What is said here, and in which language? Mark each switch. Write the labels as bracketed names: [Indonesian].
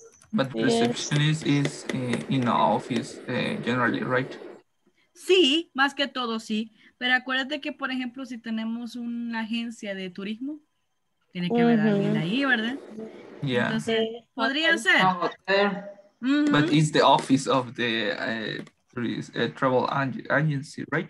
[English] But receptionist is in the office generally, right? [Spanish] Sí, más que todo sí. Pero acuérdate que, por ejemplo, si tenemos una agencia de turismo, tiene que haber alguien ahí, ¿verdad? [English] Yeah. [Spanish] Entonces, podría ser. [English] But it's the office of the travel agency, right?